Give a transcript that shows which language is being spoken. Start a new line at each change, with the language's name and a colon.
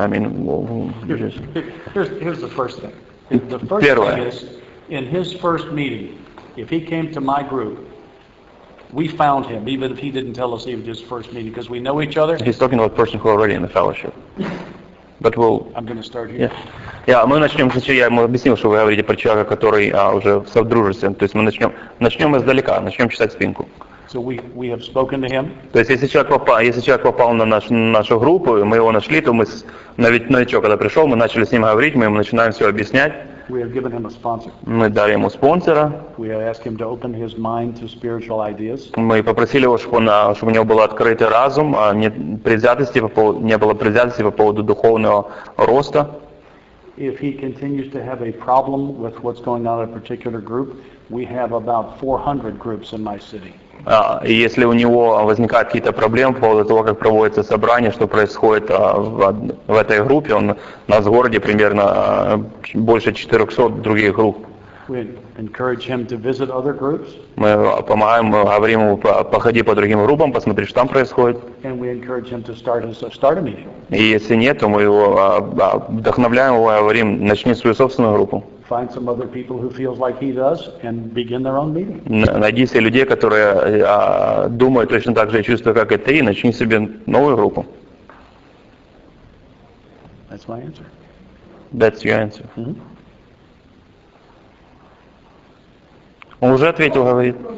English: I mean, here's the first thing. The first thing is, in his first meeting, if he came to my group, we found him, even if he didn't tell us he was his first meeting, because we know each other. He's talking about a person who already in the fellowship. But we'll... I'm going to start here.
Russian: Мы начнем, кстати, я ему объяснил, что вы говорите про человека, который уже в содружестве. То есть мы начнем издалека, начнем чесать спинку.
English: So we have spoken to him.
Russian: То есть если человек попал на нашу группу, мы его нашли, то мы, новичок, когда пришел, мы начали с ним говорить, мы ему начинаем все объяснять.
English: We have given him a sponsor.
Russian: Мы дали ему спонсора.
English: We have asked him to open his mind to spiritual ideas.
Russian: Мы попросили его, чтобы у него был открытый разум, не было предвзятости по поводу духовного роста.
English: If he continues to have a problem with what's going on in a particular group, we have about 400 groups in my city.
Russian: И если у него возникают какие-то проблемы по поводу того, как проводится собрание, что происходит в этой группе, он у нас в городе примерно больше 400 других групп.
English: We encourage him to visit other groups.
Russian: Мы помогаем, говорим ему, походи по другим группам, посмотри, что там происходит.
English: And we encourage him to start a meeting.
Russian: И если нет, то мы его вдохновляем, говорим, начни свою собственную группу.
English: Find some other people who feels like he does and begin their own meeting.
Russian: Найди себе людей, которые думают точно так же и чувствуют, как и ты, и начни себе новую группу.
English: That's my answer. That's your answer. Mm-hmm.
Russian: Он уже ответил, говорит.